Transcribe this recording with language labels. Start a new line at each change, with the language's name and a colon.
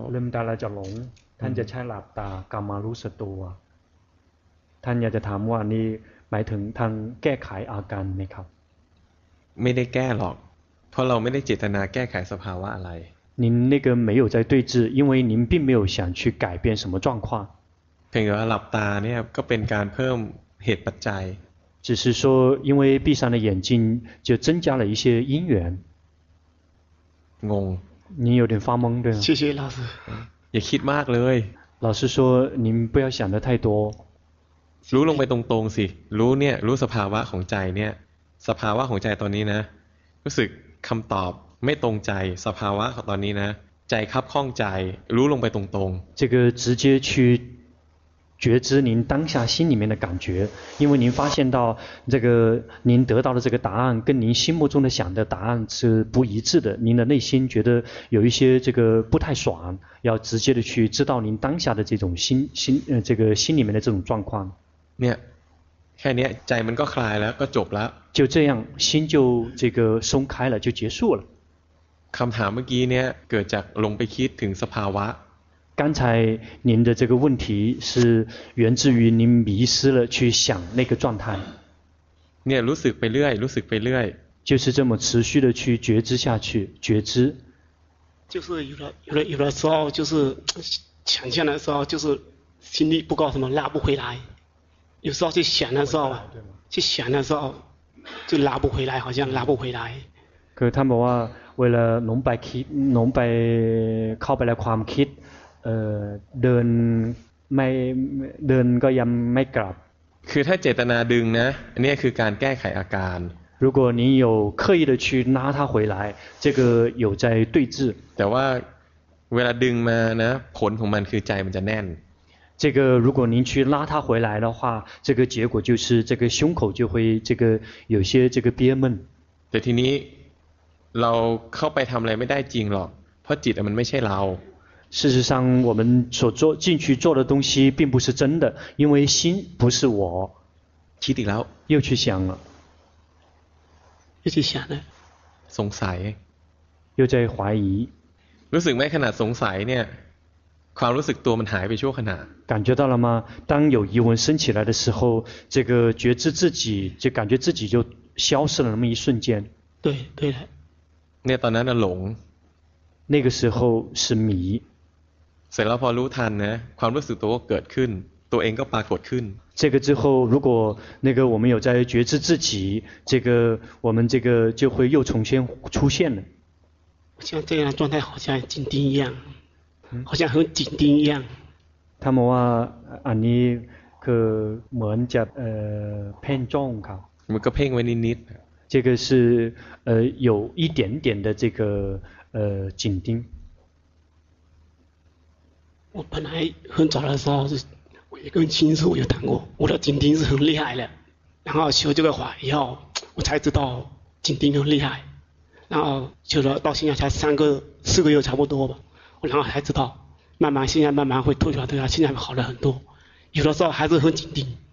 Thai: ลืมตาแล้วจะหลงท่านจะใช้หลับตากามารู้สึกตัวท่านอยากจะถามว่านี่หมายถึงทางแก้ไขอาการไหมครับ ไม่ได้แก้หรอกเพราะเราไม่ได้เจตนาแก้ไขสภาวะอะไร
Chinese: 您那个没有在对治因为您并没有想去改变什么状况
Thai: เพียงแต่ว่าหลับตาเนี่ยก็เป็นการเพิ่มเหตุปัจจัย
Chinese: 只是说因为闭上了眼睛就增加了一些因缘
Thai: งง
Chinese: 您有点发懵对吗谢谢老师
Thai: อย่าคิดมากเลย
Chinese: 老师说您不要想得太多
Thai: รู้ลงไปตรงๆสิรู้เนี่ยรู้สภาวะของใจเนี่ยสภาวะของใจตอนนี้นะรู้สึกคำตอบไม่ตรงใจสภาวะของตอนนี้นะใจคับข้องใจรู้ลงไปตรง
Chinese: ๆ这个直接去觉知您当下心里面的感觉因为您发现到这个您得到的这个答案跟您心目中的想的答案是不一致的您的内心觉得有一些这个不太爽要直接的去知道您当下的这种这个心里面的这种状况
Thai: เนี่ยแค่เนี้ยใจมันก็คลายแล้วก็จบแล้ว
Chinese: 就这样心就这个松开了就结束了
Thai: คำถามเมื่อกี้เนี่ยเกิดจากลงไปคิดถึงสภาวะ
Chinese: 刚才您的这个问题是源自于您迷失了去想那个状态
Thai: เนี่ยรู้สึกไปเรื่อยรู้สึกไปเรื่อย
Chinese: 就是这么持续的去觉知下去觉知就是有了时候就是想象的时候就是心力不够什么拉不回来有时候去想的时候去想的时候就拉不回来好像拉不回来可是他们说为了能白คิด能白靠白来ความคิดเดินไม่เดินก็ยังไม่กลับ
Thai: คือถ้าเจตนาดึงนะนี่คือการแก้ไขอาการ
Chinese: 如果你有刻意的去拉它回来这个有在对治
Thai: แต่ว่าเวลาดึงมานะผลของมันคือใจมันจะแน่น
Chinese: 这个如果您去拉它回来的话这个结果就是这个胸口就会这个有些这个憋闷
Thai: แต่ทีนี้เราเข้าไปทำอะไรไม่ได้จริงหรอกเพราะจิตมันไม่ใช่เรา
Chinese: 事实上我们所做进去做的东西并不是真的因为心不是我起底了又去想了又去想了
Thai: สงสัย
Chinese: 又在怀疑
Thai: รู้สึกไหมขณะสงสัยเนี่ยความรู้สึกตัวมันหายไปชั่วขณะ
Chinese: 感觉到了吗当有疑问升起来的时候这个觉知自己就感觉自己就消失了那么一瞬间对对的
Thai: เนี่ยตอนนั้นน่ะหลง
Chinese: 那个时候是迷
Thai: เสร็จแล้วพอรู้ทันนะความรู้สึกตัวก็เกิดขึ้นตัวเองก็ปรากฏขึ้น
Chinese: 这个之后如果那个我们有在觉知自己这个我们这个就会又重新出现了像这样的状态好像紧盯一样好像很紧盯一样他们说
Thai: อันนี้คือเหมือนจะเพ่งจ้องครับ มันก็เพ่งไว้นิดนิด
Chinese: 这个是有一点点的这个紧盯我本来很早的时候是我也跟亲师傅有谈过我的紧盯是很厉害的然后修这个法以后我才知道紧盯很厉害然后修了到现在才3-4个月差不多吧我然后才知道慢慢现在慢慢会退出来退出来现在好了很多有的时候还是很紧盯